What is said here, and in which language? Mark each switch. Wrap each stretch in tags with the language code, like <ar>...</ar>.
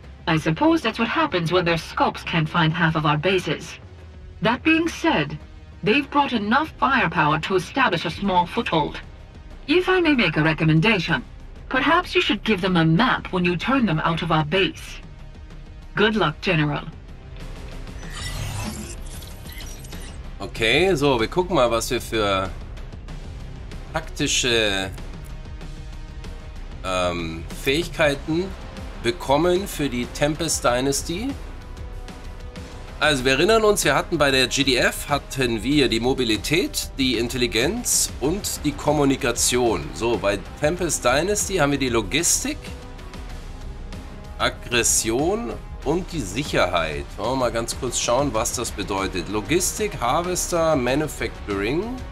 <en>I suppose that's what happens when their scopes can't find half of our bases. That being said, they've brought enough firepower to establish a small foothold. If I may make a recommendation, perhaps you should give them a map when you turn them out of our base. Good luck, General.</en> <de>Okay, so, wir gucken mal, was wir für taktische Fähigkeiten bekommen für die Tempest Dynasty. Also wir erinnern uns, wir hatten bei der GDF, hatten wir die Mobilität, die Intelligenz und die Kommunikation. So, bei Tempest Dynasty haben wir die Logistik, Aggression und die Sicherheit. Wollen wir mal ganz kurz schauen, was das bedeutet. Logistik, Harvester, Manufacturing.</de>